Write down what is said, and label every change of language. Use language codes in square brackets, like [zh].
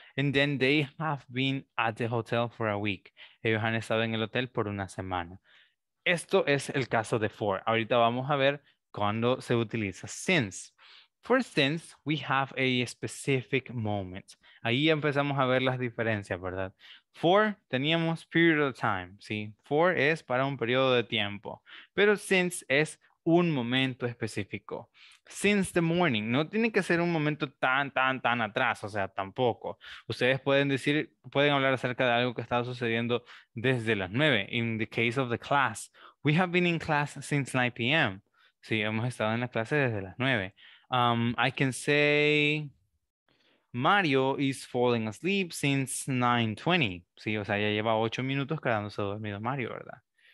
[en] And then they have been at the hotel for a week. [es] Ellos han estado en el hotel por 1 semana. Esto es el caso de for. Ahorita vamos a ver cuándo se utiliza since. [en] For since, we have a specific moment. [es] Ahí empezamos a ver las diferencias, ¿verdad? For, teníamos [en] period of time, [es] ¿sí? For es para un periodo de tiempo. Pero since es un momento específico. [en] Since the morning, [es] no tiene que ser un momento tan atrás, o sea, tampoco. Ustedes pueden decir, pueden hablar acerca de algo que está sucediendo desde las 9. [en] In the case of the class, we have been in class since 9 p.m. [es] Sí, hemos estado en la clase desde las 9. [en] I can say Mario is falling asleep since 9:20. [es] Sí, o sea, ya lleva 8 minutos quedándose dormido Mario, ¿verdad?